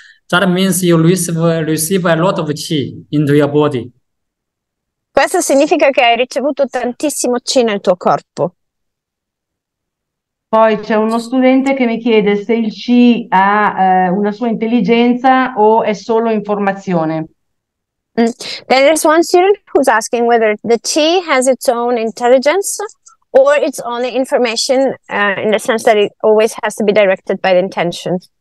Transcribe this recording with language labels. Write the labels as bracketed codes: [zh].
[en] That means you receive a lot of chi into your body. [it] Questo significa che hai ricevuto tantissimo chi nel tuo corpo. Poi c'è uno studente che mi chiede se il C ha una sua intelligenza o è solo informazione. [en] There is one student who's asking whether the chi has its own intelligence or it's only information, in the sense that it always has to be directed by the intention.